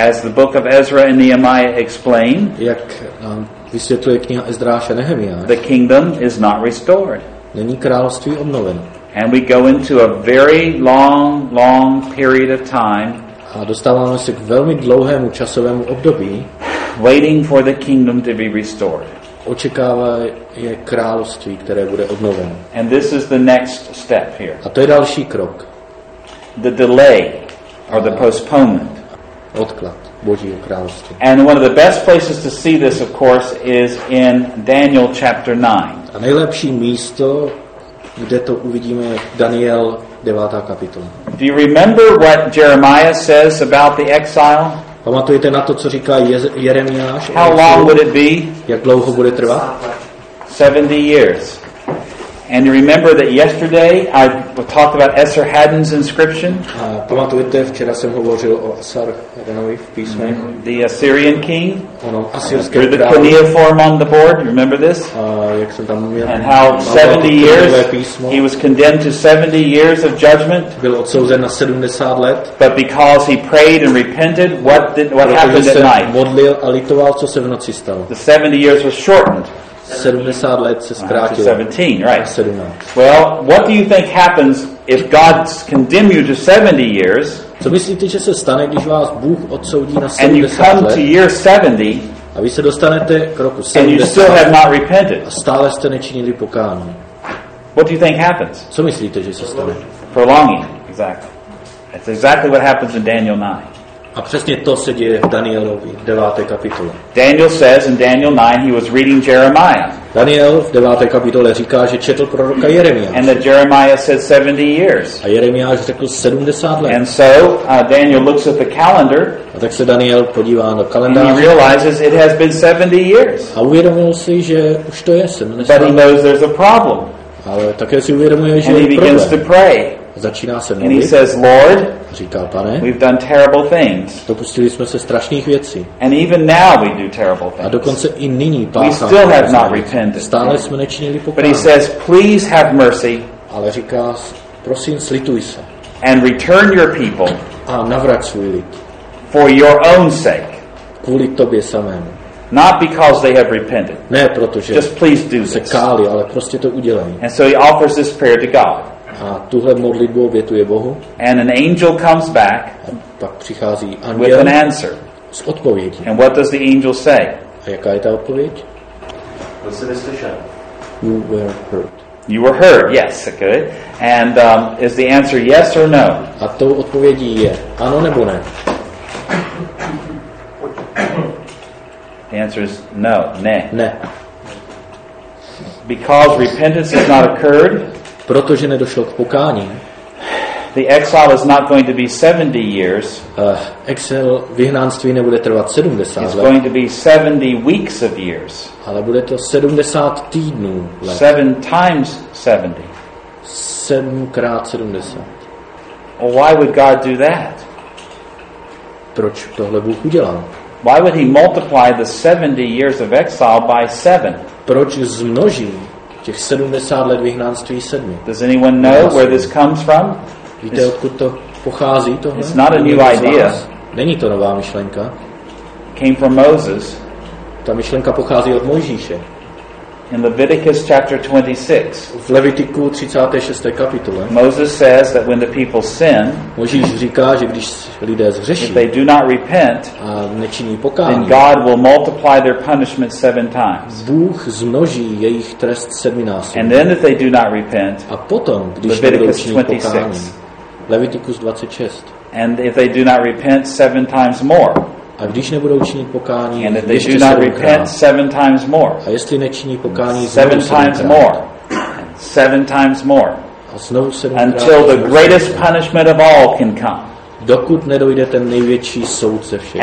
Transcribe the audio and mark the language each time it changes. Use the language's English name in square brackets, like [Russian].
[English] as the book of Ezra and Nehemiah explain, [Czech] jak vysvětluje kniha Ezdráš a Nehemiáš. [English] The kingdom is not restored. [Czech] Není království obnoveno. [English] And we go into a very long, long period of time. [Czech] A dostáváme se k velmi dlouhému časovému období. [English] Waiting for the kingdom to be restored. [Czech] Očekává je království, které bude obnoveno. [English] And this is the next step here. [Czech] A to je další krok. [English] The delay or the postponement. [Czech] Odklad Božího království. [English] And one of the best places to see this, of course, is in Daniel chapter 9. [Czech] A nejlepší místo, kde to uvidíme, je Daniel 9. kapitola. [English] Do you remember what Jeremiah says about the exile? [Czech] Pamatujete na to, co říká Jeremiáš? [English] How long would it be? [Czech] Jak dlouho bude trvat? [English] 70 years. And you remember that yesterday I talked about Esarhaddon's inscription? [Czech] Pamatujete, včera jsem hovořil o Esarhaddonových písmech. Mm-hmm. [English] The Assyrian king. [Czech] Ono, asyrské králi. [English] The cuneiform on the board. You remember this? [Czech] Jak jsem tam měl. [English] And how 70 years he was condemned to 70 years of judgment. [Czech] Byl odsouzen na 70 let. [English] But because he prayed and repented, what happened at night? [Czech] Modlil a litoval, co se v noci stalo. [English] The 70 years was shortened. [Czech] 70 let se zkrátilo. [English] 17, right. 17. Well, what do you think happens if God condemn you to 70 years? [Czech] Co myslíte, že se stane, když vás Bůh odsoudí na 70 let? [English] And you come to year 70. [Czech] A vy se dostanete k roku 70. [English] And you still have not repented. [Czech] A stále jste nečinili pokání. [English] What do you think happens? [Czech] Co myslíte, že se stane? [English] Prolonging, exactly. That's exactly what happens in Daniel 9. [Czech] A přesně to se děje v Danielovi 9. kapitole. [English] Daniel says in Daniel 9 he was reading Jeremiah. [Czech] Daniel v 9. kapitole říká, že četl proroka Jeremiáše. [English] And that Jeremiah said 70 years. [Czech] A Jeremiáš řekl 70 let. [English] And so Daniel looks at the calendar. [Czech] A tak se Daniel podívá do kalendáře. [English] And he realizes it has been 70 years. [Czech] A uvědomil si, že už to je 70 let. [English] But he knows there's a problem. [Czech] Ale také si uvědomuje, že [English] and [Czech] je problém. [English] And he begins to pray. [Czech] Začíná se mluvit. [English] And he says, Lord, [Czech] říká, pane, [English] we've done terrible things. [Czech] Dopustili jsme se strašných věcí. [English] And even now we do terrible things. [Czech] A dokonce i nyní pácháme. [English] We still have not repented. [Czech] Stále jsme nečinili pokání. [English] But he says, please have mercy. [Czech] Ale říká, prosím, slituj se. [English] And return your people. [Czech] A navrať svůj lid. [English] For your own sake. [Czech] Kvůli tobě samému. [English] Not because they have repented. [Czech] Ne, protože [English] just please do [Czech] se kálí, ale prostě to udělají. [English] And so he offers this prayer to God. [Czech] A tuhle modlitbu obětuje Bohu. [English] And an angel comes back. [Czech] A pak přichází anděl. [English] With an answer. [Czech] S odpovědí. [English] And what does the angel say? [Czech] A jaká je ta odpověď? [English] You were heard. You were heard. Yes, okay. And is the answer yes or no? [Czech] A to odpovědí je ano nebo ne. [English] The answer is no, ne. [Czech] Ne. [English] Because repentance has not occurred. [Czech] Protože nedošlo k pokání. [English] The exile is not going to be 70 years. [Czech] Exil vyhnanství nebude trvat 70 let. [English] It's going to be 70 weeks of years. [Czech] Ale bude to 70 týdnů let. [English] 7 times 70. 7x 70. Well, why would God do that? [Czech] Proč tohle Bůh udělal? [English] Why would he multiply the 70 years of exile by 7? [Czech] Proč zmnoží těch 70 let vyhnanství 7? [English] Does anyone know where this comes from? [Czech] Víte, odkud to pochází tohle? [English] It's not a new idea. [Czech] Není to nová myšlenka. [English] Came from Moses. [Czech] Ta myšlenka pochází od Mojžíše. [English] In Leviticus chapter 26. [Czech] V Levitiku 36. kapitole. [English] Moses says that when the people sin, [Czech] Mojžíš říká, že když lidé zhřeší, [English] if they do not repent, [Czech] a nečiní pokání, [English] then God will multiply their punishment 7 times. [Czech] Bůh zmnoží jejich trest 7x. [English] And then if they do not repent, [Czech] a potom, když [English] Leviticus [Czech] 26. Pokání, Levitikus 26. [English] And if they do not repent 7 times more. [Czech] A když nebudou činit pokání, [English] and if they do not repent 7 times more. [Czech] A jestli nečiní pokání [English] 7 times more. 7 times more. [Czech] A znovu 7 [English] until the greatest punishment of all can come. [Czech] Dokud nedojde ten největší soud ze všech.